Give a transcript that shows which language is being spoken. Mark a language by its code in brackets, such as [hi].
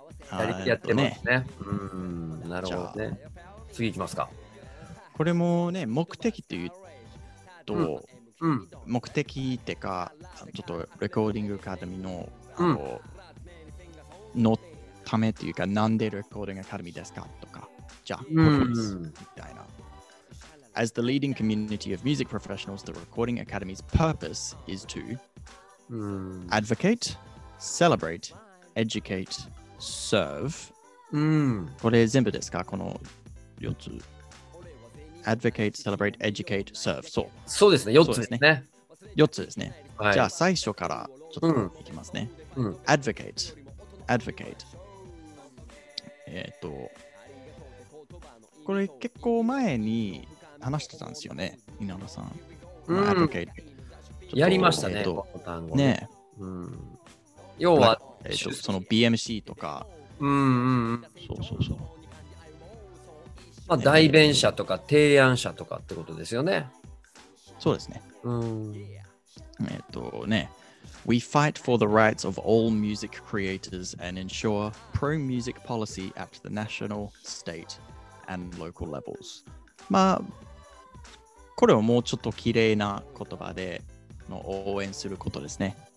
[ja] やりやってますね。ね、うん、なるほどね。次いきますか。これもね、目的っていうと、うんうん、目的ってか、ちょっとレコーディングアカデミーの、うん、のためっていうか、なんでレコーディングアカデミーですかとか、じゃあ、うん、みたいな。 [en] As the leading community of music professionals, the Recording Academy's purpose is to、うん、 advocate、celebrate、educate、serve、うん。 [ja] これ全部ですか、この4つ。 [en] advocate、celebrate、educate、serve。 [ja] そう。そうですね、4つですね。 4つですね。はい、じゃあ、最初からちょっといきますね。うん、 [en] advocate、advocate。 [ja] これ結構前に話してたんですよね、稲田さん。うん、 [en] advocate、 [ja] やりましたね、ね、うん、要は、その BMC とか。うんうん。そうそうそう。まあ、代弁者とか提案者とかってことですよね。そうですね。うん、ね。 [en] We fight for the rights of all music creators and ensure pro-music policy at the national, state, and local levels. [ja] まあ、これはもうちょっと綺麗な言葉での応援することですね。